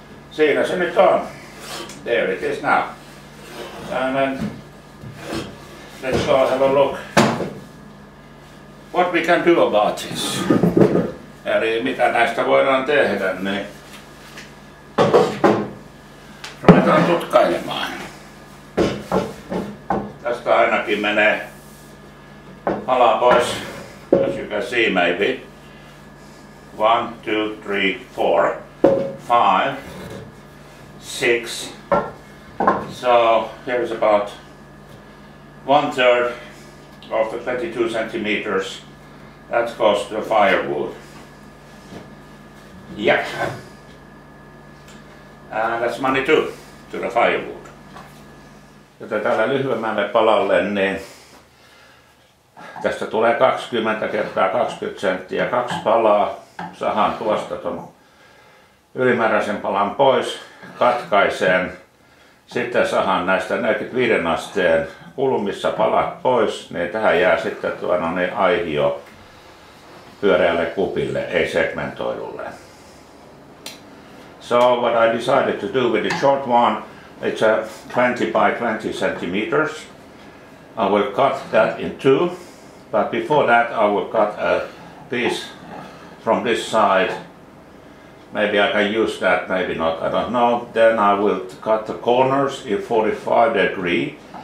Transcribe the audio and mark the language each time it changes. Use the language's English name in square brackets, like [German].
[Finnish] Siinä se nyt on. [English] There it is now. And then let's go have a look what we can do about this. [Finnish] eli mitä näistä voidaan tehdä, niin ruvetaan tutkailemaan. Tästä ainakin menee ala pois, [English] as you can see maybe. 1, 2, 3, 4, 5, 6. So here is about 1/3 of the 22 centimeters that goes to the firewood. Yep. And that's money too, to the firewood. [Finnish] Joten tällä lyhyemmälle palalle, niin tästä tulee 20 kertaa 20 senttiä kaksi palaa. Sahan tuosta ton ylimääräisen palan pois, katkaiseen. Sitten sahan näistä 45 asteen kulmissa palat pois, niin tähän jää sitten tuon niin aihio pyöreälle kupille, ei segmentoidulle. [English] So what I decided to do with the short one, it's a 20 by 20 centimeters. I will cut that in two, but before that I will cut a piece from this side. Maybe I can use that, maybe not, I don't know. Then I will cut the corners in 45 degree.